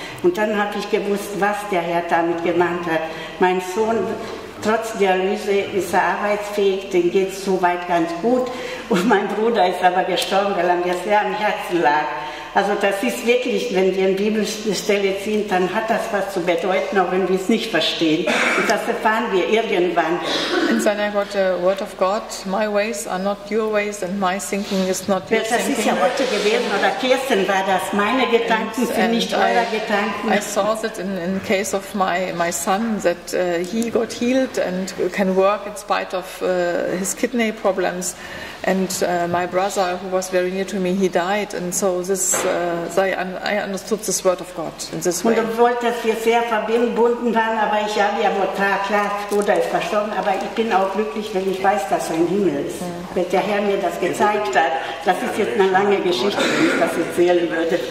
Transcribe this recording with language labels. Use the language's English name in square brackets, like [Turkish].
[German] Und dann habe ich gewusst, was der Herr damit gemeint hat. Mein Sohn, trotz Dialyse, ist er arbeitsfähig, dem geht es soweit ganz gut. Und mein Bruder ist aber gestorben, weil er mir sehr am Herzen lag. Also das ist wirklich, wenn wir eine Bibelstelle ziehen, dann hat das was zu bedeuten, auch wenn wir es nicht verstehen. Und das erfahren wir irgendwann. [English] And then I got the word of God, my ways are not your ways and my thinking is not your thinking. [German] Das ist ja heute gewesen, oder Kirsten war das, meine Gedanken sind nicht eure Gedanken. [English] I saw that in case of my son, that he got healed and can work in spite of his kidney problems. And my brother, who was very near to me, he died. And so I understood this word of God in this way. [German] Und obwohl, dass wir sehr verbunden waren, aber ich habe ja wohl klar, Bruder ist verstorben, aber ich bin auch glücklich, wenn ich weiß, dass er im Himmel ist. Yeah. Weil der Herr mir das gezeigt hat. Das ist jetzt eine lange Geschichte, wenn ich das erzählen würde.